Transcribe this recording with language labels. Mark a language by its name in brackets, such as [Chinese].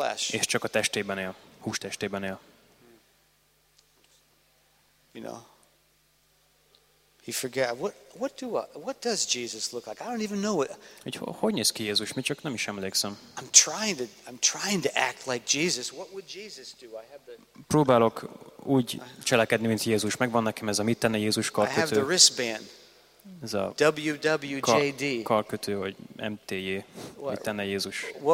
[Hungarian] És csak a testében él, hústestében él. [English] You know, he forget what does Jesus look like? I don't even know it. [Hungarian] Hogy néz ki Jézus? Mi csak nem is emlékszem. [English] I'm trying to act like Jesus. What would Jesus do? I have the. [Hungarian] Próbálok úgy cselekedni, mint Jézus. Megvan nekem ez a mit tenne Jézus karkötő. [English] I have the wristband. [Hungarian] Ez a [English] WWJD. [Hungarian] Karkötő vagy MTJ. Mit tenne Jézus?